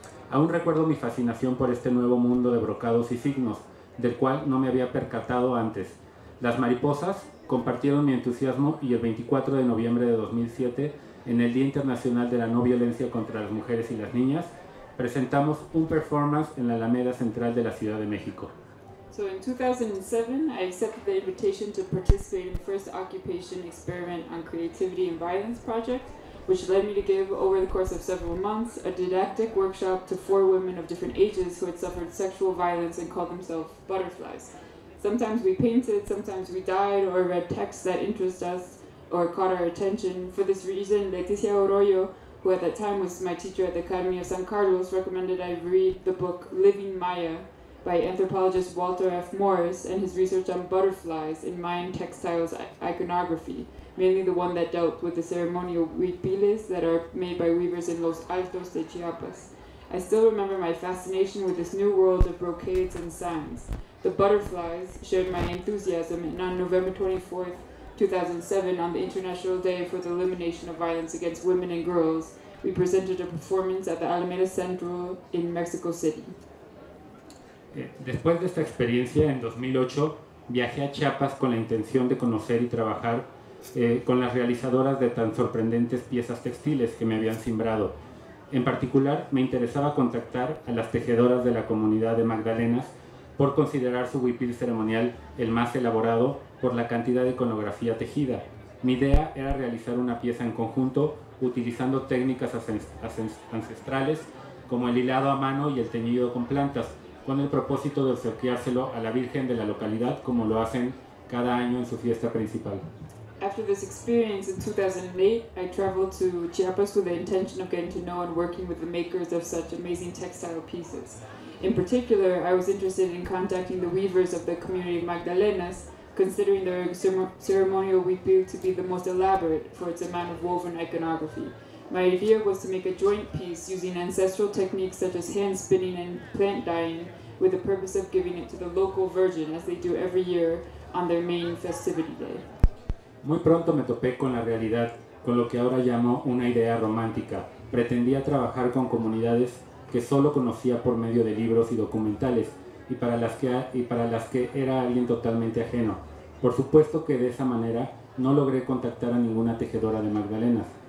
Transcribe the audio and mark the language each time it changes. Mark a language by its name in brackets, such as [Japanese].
[Spanish] Aún recuerdo mi fascinación por este nuevo mundo de brocados y signos, del cual no me había percatado antes. Las mariposas compartieron mi entusiasmo y el 24 de noviembre de 2007, en el Día Internacional de la No Violencia contra las Mujeres y las Niñas, presentamos un performance en la Alameda Central de la Ciudad de México. [English] So in 2007, I accepted the invitation to participate in the first Occupation Experiment on Creativity and Violence project, which led me to give, over the course of several months, a didactic workshop to 4 women of different ages who had suffered sexual violence and called themselves butterflies. Sometimes we painted, sometimes we dyed or read texts that interested us or caught our attention. For this reason, Leticia Arroyo, who at that time was my teacher at the Academy of San Carlos, recommended I read the book Living Maya by anthropologist Walter F. Morris and his research on butterflies in Mayan textiles iconography, mainly the one that dealt with the ceremonial huipiles that are made by weavers in Los Altos de Chiapas. I still remember my fascination with this new world of brocades and signs. The butterflies shared my enthusiasm, and on November 24th, 2007, on the International Day for the Elimination of Violence Against Women and Girls, we presented a performance at the Alameda Central in Mexico City. [Spanish] Después de esta experiencia, en 2008, viajé a Chiapas con la intención de conocer y trabajar con las realizadoras de tan sorprendentes piezas textiles que me habían simbrado. En particular, me interesaba contactar a las tejedoras de la comunidad de Magdalenas por considerar su huipil ceremonial el más elaborado por la cantidad de iconografía tejida. Mi idea era realizar una pieza en conjunto utilizando técnicas ancestrales como el hilado a mano y el teñido con plantas, con el propósito de obsequiárselo a la Virgen de la localidad como lo hacen cada año en su fiesta principal. [English] After this experience in 2008, I traveled to Chiapas with the intention of getting to know and working with the makers of such amazing textile pieces. In particular, I was interested in contacting the weavers of the community of Magdalenas, considering their ceremonial huipil to be the most elaborate for its amount of woven iconography. My idea was to make a joint piece using ancestral techniques such as hand spinning and plant dyeing, with the purpose of giving it to the local virgin as they do every year on their main festivity day. [Spanish] Muy pronto me topé con la realidad, con lo que ahora llamo una idea romántica. Pretendía trabajar con comunidades que solo conocía por medio de libros y documentales y para las que era alguien totalmente ajeno. Por supuesto que de esa manera no logré contactar a ninguna tejedora de Magdalenas.